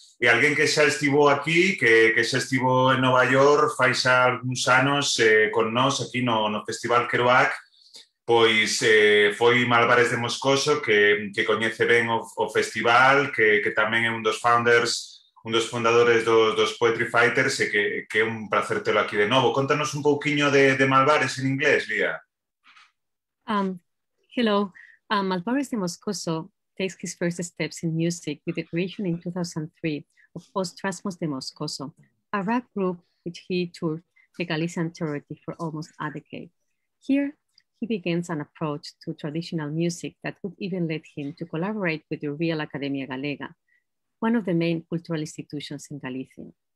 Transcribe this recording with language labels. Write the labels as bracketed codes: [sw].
[gl] E alguén que xa estivo aquí, que xa estivo en Nova York fai xa algúns anos con nós aquí no Festival Kerouac, pois foi Malvares de Moscoso, que coñece ben o festival, que tamén é un dos fundadores dos Poetry Fighters, e que é un placer telo aquí de novo. Contanos un pouquiño de Malvares en inglés, Lía. [en] Hello. Malvares de Moscoso takes his first steps in music with the creation in 2003 of Os Trasmos de Moscoso, a rap group which he toured the Galician territory for almost a decade. Here, he begins an approach to traditional music that would even lead him to collaborate with the Real Academia Galega, one of the main cultural institutions in Galicia.